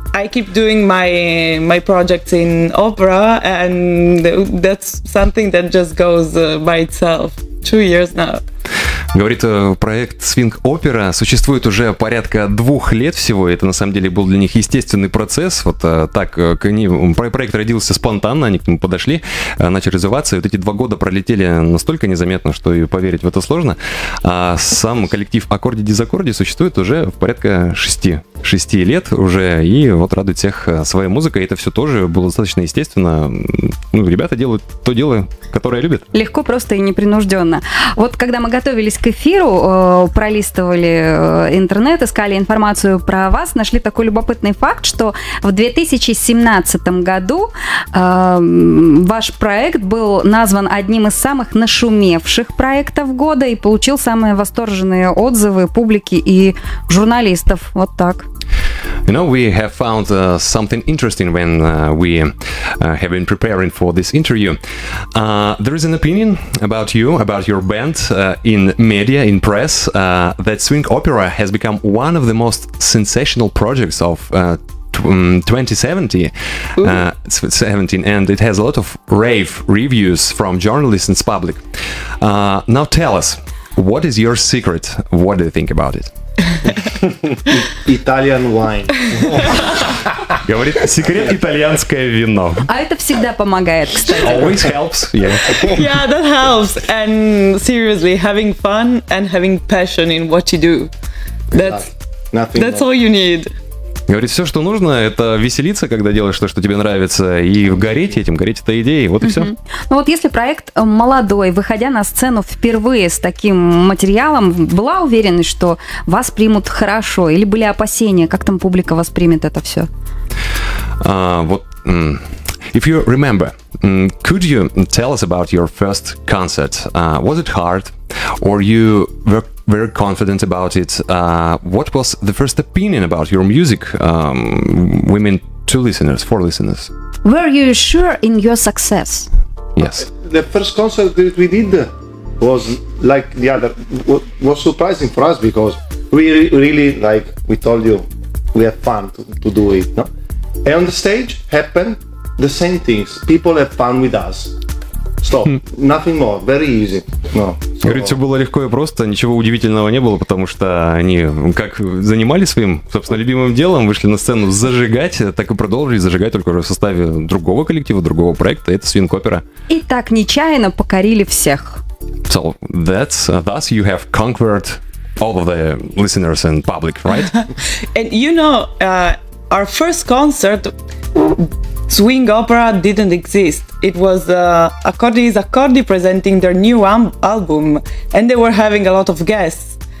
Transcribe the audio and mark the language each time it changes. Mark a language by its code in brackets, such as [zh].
[en] I keep doing my projects in opera, and that's something that just goes by itself. 2 years now. [ru] Говорит, проект Swing Opera существует уже порядка 2 лет всего. Это на самом деле был для них естественный процесс. Вот так к ним проект родился спонтанно, они к нему подошли, начали развиваться. И вот эти 2 года пролетели настолько незаметно, что и поверить в это сложно. А сам коллектив Accordi Disaccordi существует уже в порядка 6 лет. 6 лет уже, и вот радует всех своей музыкой. Это все тоже было достаточно естественно. Ну, ребята делают то дело, которое любят. Легко, просто и непринужденно. Вот когда мы готовились к эфиру, пролистывали интернет, искали информацию про вас, нашли такой любопытный факт, что в 2017 году ваш проект был назван одним из самых нашумевших проектов года и получил самые восторженные отзывы публики и журналистов. Вот так. [en] You know, we have found something interesting when we have been preparing for this interview. There is an opinion about you, about your band in media, in press, that Swing Opera has become one of the most sensational projects of 2017, and it has a lot of rave reviews from journalists and public. Now tell us, what is your secret? What do you think about it? Italian wine. [ru] Говорит, секрет — итальянское вино. А это всегда помогает, кстати. [en] Always helps, yeah. Yeah, that helps. And seriously, having fun and having passion in what you do. That's all you need. [ru] Говорит, все, что нужно, это веселиться, когда делаешь то, что тебе нравится, и гореть этим, гореть этой идеей, вот и все. Ну вот если проект молодой, выходя на сцену впервые с таким материалом, была уверенность, что вас примут хорошо, или были опасения, как там публика воспримет это все? [en] Вот, if you remember, could you tell us about your first concert? Was it hard, or you were very confident about it? What was the first opinion about your music? We mean two listeners, four listeners. Were you sure in your success? Yes. The first concert that we did was like the other, was surprising for us because we really, like we told you, we had fun to do it. No? And on the stage happened the same things. People have fun with us. [ru] Говорит, все было легко и просто, ничего удивительного не было, потому что они как занимались своим, собственно, любимым делом, вышли на сцену зажигать, так и продолжили зажигать, только уже в составе другого коллектива, другого проекта, это Swing Opera. И так нечаянно покорили всех. [en] So, thus you have conquered all of the listeners and public, right? And you know, our first concert... Swing Opera didn't exist. It was Accordi presenting their new album, and they were having a lot of guests.